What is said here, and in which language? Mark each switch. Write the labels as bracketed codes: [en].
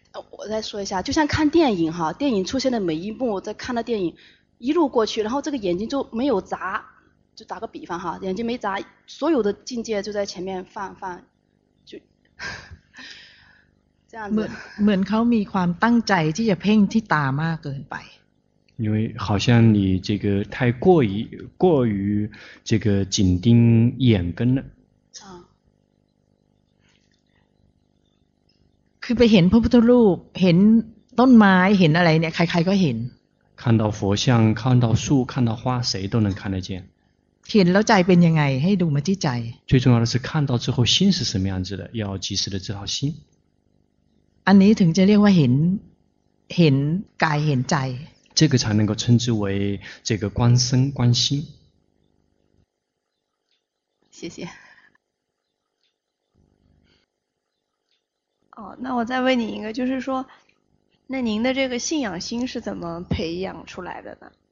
[zh] 我再说一下就像看电影哈电影出现的每一幕我在看的电影一路过去然后这个眼睛就没有眨就打个比方哈眼睛没眨所有的境界就在前面放就这样子 [th] เหมือนเขามีความตั้งใจที่จะเพ่งที่ตามากเกินไป [zh] 因为好像你这个太过于这个紧盯眼根了 [th] คือไปเห็นพระพุทธรูปเห็นต้นไม้เห็นอะไรเนี่ยใครๆก็เห็น [zh] 看到佛像看到树看到花谁都能看得见 [th] เห็นแล้วใจเป็นยังไงให้ดูมาที่ใจ [zh] 最重要的是看到之后心是什么样子的要及时的知道心 [th] อันนี้ถึงจะเรียกว่าเห็นกายเห็นใจ [zh] 这个才能够称之为这个观身观心谢谢哦，那我再问你一个，就是说，那您的这个信仰心是怎么培养出来的呢？